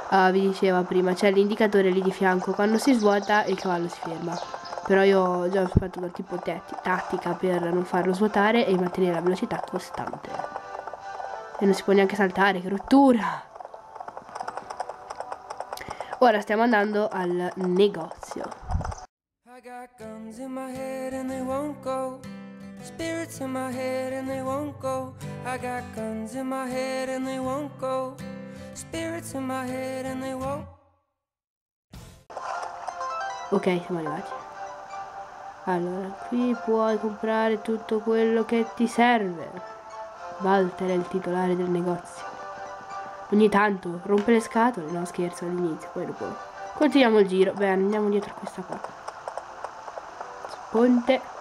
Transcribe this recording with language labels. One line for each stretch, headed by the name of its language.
Italian: Vi diceva prima, c'è l'indicatore lì di fianco, quando si svuota il cavallo si ferma. Però io già ho già fatto una tipo tattica per non farlo svuotare e mantenere la velocità costante. E non si può neanche saltare, che rottura! Ora stiamo andando al negozio.
English: I got guns in my head and they won't go. Spirits in my head and they won't go. I got guns in my head and they won't go. Spirits in my head and they won't.
Italian: Ok, siamo arrivati. Allora, qui puoi comprare tutto quello che ti serve. Walter è il titolare del negozio. Ogni tanto rompe le scatole. No, scherzo, all'inizio, poi dopo. Continuiamo il giro. Beh, andiamo dietro a questa qua. Ponte.